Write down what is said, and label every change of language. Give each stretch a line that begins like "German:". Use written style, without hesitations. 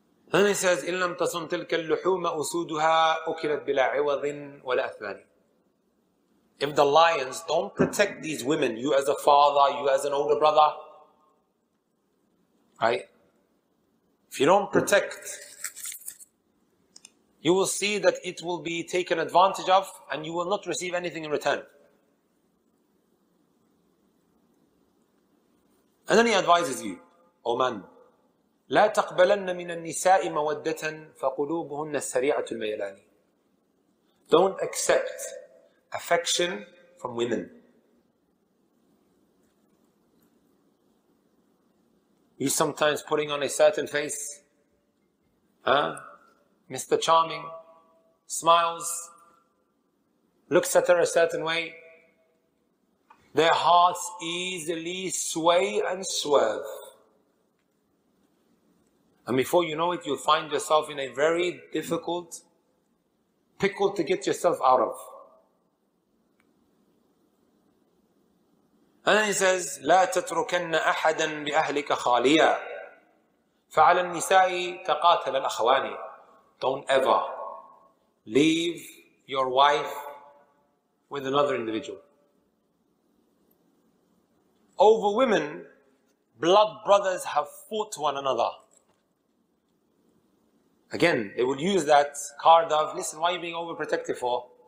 English: Then he says,
Arabic: إِلَّمْ تَصُمْ تِلْكَ اللُّحُومَ أُسُودُهَا أُكِلَتْ بِلَا عِوَضٍ وَلَا أَثْمَانٍ.
English: If the lions don't protect these women, you as a father, you as an older brother, right? If you don't protect, you will see that it will be taken advantage of and you will not receive anything in return. And then he advises you, O man,
Arabic: لَا تَقْبَلَنَّ مِنَ النِّسَاءِ مَوَدَّةً فَقُلُوبُهُنَّ السَّرِيعَةُ الْمَيَلَانِ.
English: Don't accept affection from women. You sometimes putting on a certain face, Mr. Charming, smiles, looks at her a certain way, their hearts easily sway and swerve. And before you know it, you'll find yourself in a very difficult pickle to get yourself out of. And then he says,
Arabic: لَا تَتْرُكَنَّ أَحَدًا بِأَهْلِكَ خَالِيًا فَعَلَى النِّسَاءِ تَقَاتَلَ الْأَخْوَانِ.
English: Don't ever leave your wife with another individual. Over women, blood brothers have fought one another. Again, they will use that card of, listen, why are you being overprotective for?